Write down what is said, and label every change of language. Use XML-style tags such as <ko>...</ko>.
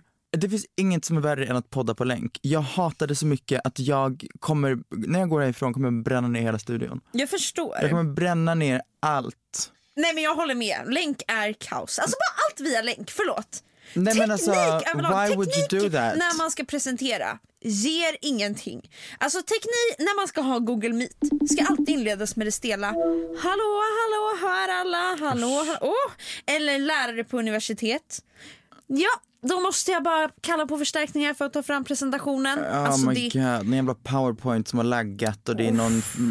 <sv>Det finns inget som är värre än att podda på länk. Jag hatar det så mycket att jag kommer, när jag går härifrån kommer jag bränna ner hela studion. Jag förstår. Jag kommer bränna ner allt. Nej, men jag håller med. Länk är kaos. Alltså bara allt via länk, förlåt. Nej, men alltså,</sv> <en>why would you do that?</en> <sv>När man ska presentera ger ingenting. Alltså teknik när man ska ha Google Meet ska alltid inledas med det stela. Hallå, hallå, hör alla. Hallå. Eller lärare på universitet. Ja, då måste jag bara kalla på förstärkningar för att ta fram presentationen.</sv> <en>Oh my god,</en> <sv>en jävla PowerPoint som har laggat och det är någon...</sv>